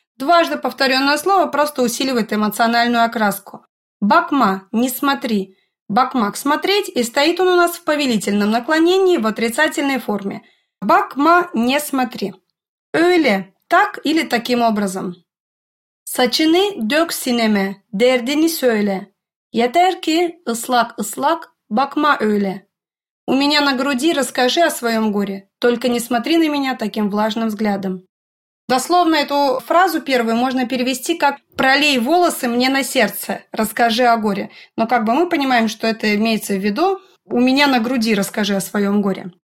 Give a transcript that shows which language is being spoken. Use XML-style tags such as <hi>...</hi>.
<ru>Дважды повторенное слово просто усиливает эмоциональную окраску. «Бакма» – «не смотри». «Бакмак» – «смотреть», и стоит он у нас в повелительном наклонении в отрицательной форме. «Бакма» – «не смотри». «Öyle» – «так» или «таким образом».</ru> <tr>«Saçını dök sineme, derdini söyle». Yeter ki ıslak ıslak bakma öyle.</tr> <ru>У меня на груди расскажи о своем горе. Только не смотри на меня таким влажным взглядом. Дословно эту фразу первую можно перевести как «пролей волосы мне на сердце, расскажи о горе». Но как бы мы понимаем, что это имеется в виду «у меня на груди расскажи о своем горе».</ru>